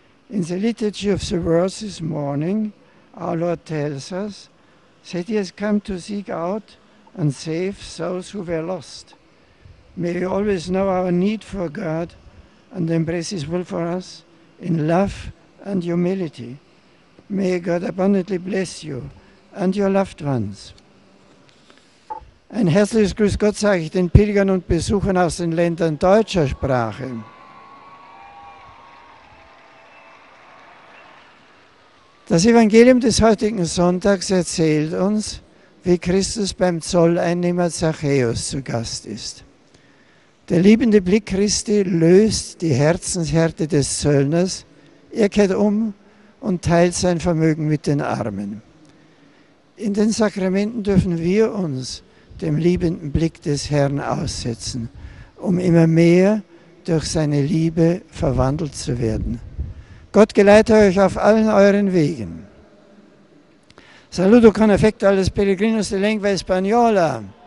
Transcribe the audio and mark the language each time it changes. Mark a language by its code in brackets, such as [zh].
[en] In the liturgy of the words this morning, our Lord tells us that he has come to seek out and save those who were lost. May we always know our need for God and embrace his will for us in love and humility. May God abundantly bless you and your loved ones. [de] Ein herzliches Grüß Gott sage ich den Pilgern und Besuchern aus den Ländern deutscher Sprache. Das Evangelium des heutigen Sonntags erzählt uns, wie Christus beim Zolleinnehmer Zachäus zu Gast ist. Der liebende Blick Christi löst die Herzenshärte des Zöllners, er kehrt um und teilt sein Vermögen mit den Armen. In den Sakramenten dürfen wir uns dem liebenden Blick des Herrn aussetzen, um immer mehr durch seine Liebe verwandelt zu werden. Gott geleite euch auf allen euren Wegen. [it] Saluto con affetto alle pellegrinos de lingua spagnola.